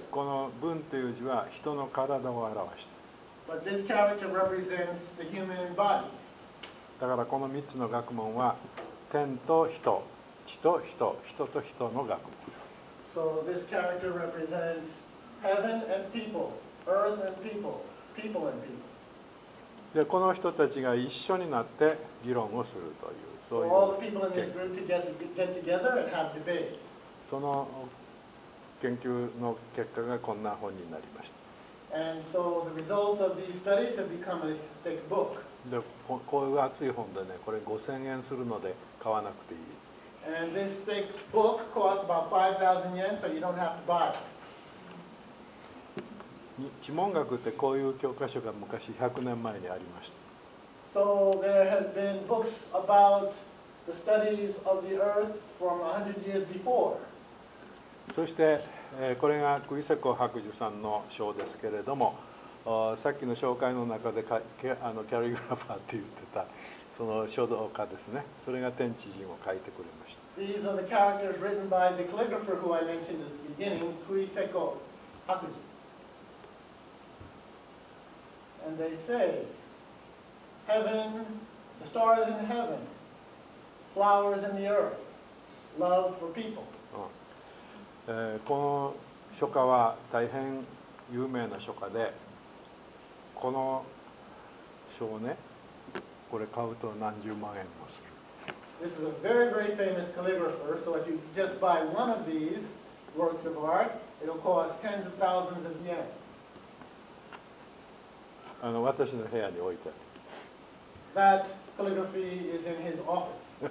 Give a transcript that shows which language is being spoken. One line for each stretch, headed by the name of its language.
Japanese: この文という字は人の体を表して。
English: But this character represents the human body.
Japanese: だからこの3つの学問は天と人、地と人、人と人の学問。
English: So this character represents heaven and people, earth and people, people and people.
Japanese: で、この人たちが一緒になって議論をするという、そういう。
English: So all the people in this group get together and have debates.
Japanese: その研究の結果がこんな本になりました。
English: And so the result of these studies have become a thick book.
Japanese: で、こういう厚い本でね、これ5000円するので買わなくていい。
English: And this thick book costs about 5,000 yen, so you don't have to buy it.
Japanese: 地文学ってこういう教科書が昔100年前にありました。
English: So there have been books about the studies of the earth from 100 years before.
Japanese: そしてこれがクイセコ博寿さんの章ですけれども、さっきの紹介の中でキャリグラファーって言ってた。その書道家ですね。それが天地人を書いてくれました。
English: These are the characters written by the calligrapher who I mentioned at the beginning, Kuiseko Hakuji. And they say, heaven, the stars in heaven, flowers in the earth, love for people.、うん、
Japanese: この書家は大変有名な書家で、この書をね、これ買うと何十万円もする。
English: This is a very, very famous calligrapher. So if you just buy one of these works of art, it'll cost tens of thousands of yen.
Japanese: あの、私の部屋に置いてある。
English: That calligraphy is in his office.